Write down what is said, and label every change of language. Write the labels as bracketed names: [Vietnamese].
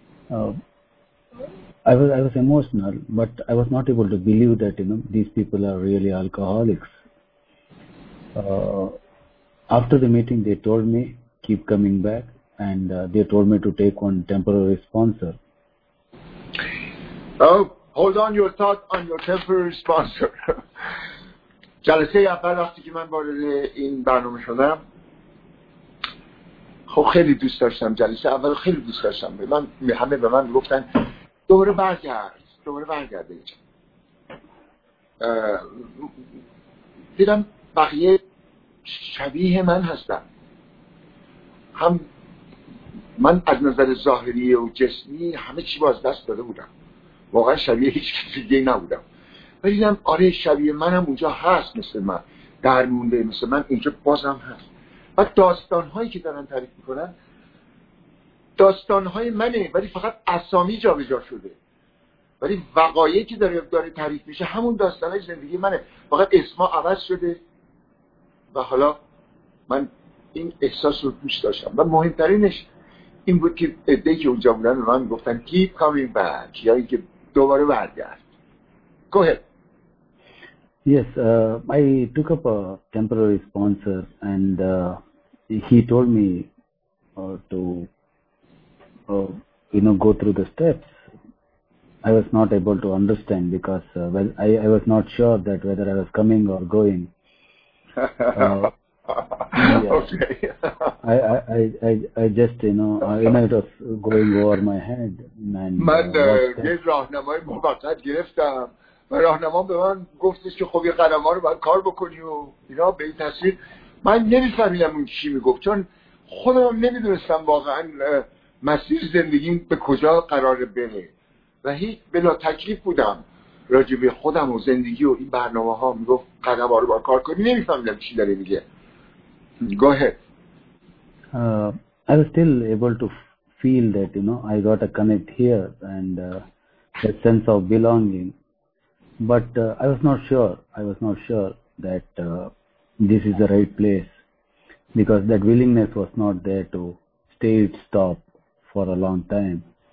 [English] I was emotional, but I was not able to believe that, you know, these people are really alcoholics. After the meeting, they told me keep coming back, and they told me to take on temporary sponsor. Oh, hold on your thought on your temporary sponsor. [Persian] جلسه اول وقتی که من وارد این برنامه شدم، خیلی دوست داشتم. جلسه اول خیلی دوست داشتم. من همه به من گفتن دوباره برگرد اینجا. دیدم بقیه شبیه من هستن، هم من از نظر ظاهری و جسمی همه چی باز دست داده بودم، واقعا شبیه هیچ کسی دیگه نبودم. ولی دیدم آره، شبیه من هم اونجا هست، مثل من درمونده، مثل من اینجا بازم هست. و داستانهایی که دارن تعریف میکنن داستان‌های منه، ولی فقط اسامی جابجا شده. ولی وقایعی که داره تعریف میشه همون داستانای زندگی منه، فقط اسما عوض شده. و حالا من این احساس رو دوست داشتم، و مهمترینش این بود که عده‌ای که اونجا بودن من گفتن [English] keep coming back، [Persian] یا اینکه دوباره برگرد. [English] Go ahead. Yes, I took up a temporary sponsor, and he told me to, you know, go through the steps. I was not able to understand because well, I was not sure that whether I was coming or going. I just, you know, it was going over my head. [Persian] و راهنمام به من گفتش که خب یه قلمه رو باید کار بکنی و اینا به این تصویر. من نمیفهمیدم اون چی میگفت چون خودم نمیدونستم واقعا مسیر زندگیم به کجا قرار بره و هیچ بلا تکلیف بودم راجب خودم و زندگی و این برنامه ها. میگفت قلمه رو باید کار کنی، نمیفهمیدم چی داره میگه. [English] Go ahead. I was still able to feel that, you know, I got a connect here and a sense of belonging. But I was not sure that this is the right place, because that willingness was not there to stay stop for a long time.